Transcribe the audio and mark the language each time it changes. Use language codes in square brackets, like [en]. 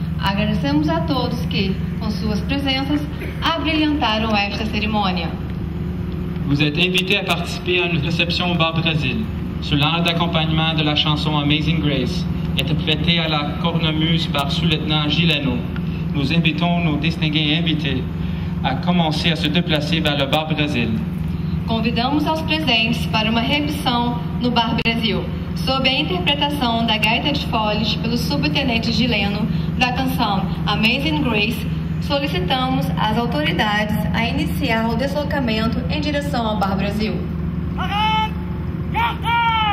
[pt] Agradecemos a todos que, com suas presenças, abrilhantaram esta cerimônia. [fr] Vous êtes invités à participer à une réception au Bar Brésil, sous l'art d'accompagnement de la chanson Amazing Grace, interprétée à la cornemuse par sous-lieutenant Gilenot. Nous invitons nos distingués invités à commencer à se déplacer vers le Bar Brésil. [pt] convidamos aos presentes para uma recepção no Bar Brasil, sob a interpretação da Gaita de Foles pelo subtenente Gileno, da canção Amazing Grace. Solicitamos às autoridades a iniciar o deslocamento em direção ao Bar Brasil.